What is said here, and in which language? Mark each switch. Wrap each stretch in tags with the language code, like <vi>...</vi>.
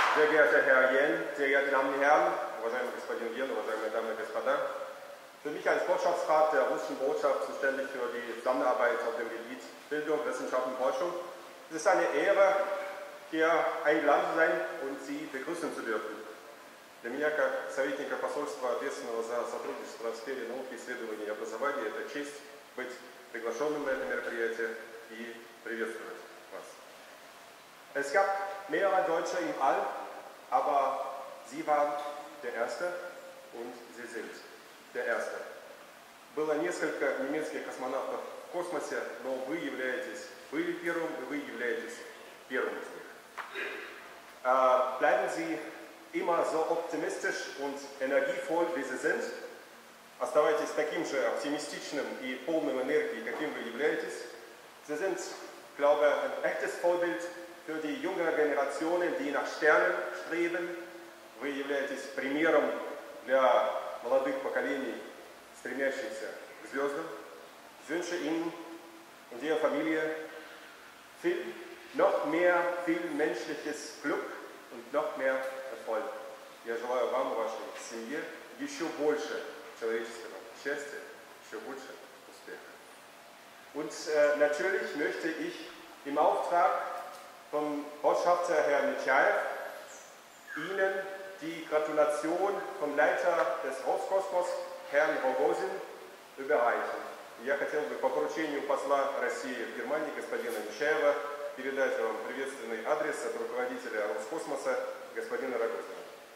<de>geehrter Herr Yen, sehr geehrte Damen und Herren,</de> <ru>уважаемые господин Yen, уважаемые дамы и господа.</ru> <de>Für mich als Botschaftsrat der russischen Botschaft zuständig für die Zusammenarbeit auf dem Gebiet Bildung, Wissenschaft und Forschung. Es ist eine Ehre, hier eingeladen zu sein und Sie begrüßen zu dürfen.</de> <ru>Для меня, как советника посольства, ответственного за сотрудничество в сфере науки, исследований и образования, это честь быть приглашенным на это мероприятие и приветствовать вас.</ru> <de>Es gab mehrere Deutsche im All, aber Sie waren der Erste und Sie sind der Erste.</de> <ru>Было несколько немецких космонавтов в космосе, но вы являетесь, были первым, и вы являетесь первым из них.</ru> <de>Bleiben Sie immer so optimistisch und energievoll, wie Sie sind.</de> <ru>Оставайтесь таким же оптимистичным и полным энергии, каким вы являетесь.</ru> <de>Sie sind, glaube ich, ein echtes Vorbild für die jüngeren Generationen, die nach Sternen streben.</de> <ru>Вы являетесь примером для молодых поколений, стремящихся к звездам.</ru> <de>Ich wünsche Ihnen und Ihrer Familie viel, noch mehr viel menschliches Glück und noch mehr Erfolg.</de> <ru>Я желаю вам и вашей семье еще больше человеческого счастья, еще больше успеха.</ru> <de>Und natürlich möchte ich im Auftrag vom Botschafter Herrn Michaev Ihnen die Gratulation vom Leiter des Roskosmos, Herrn Rogozin, überreichen.</de> <ru>Я хотел бы по поручению посла России в Германии, господина Мичаева, передать вам приветственный адрес от руководителя Роскосмоса, господина Рогозина.</ru>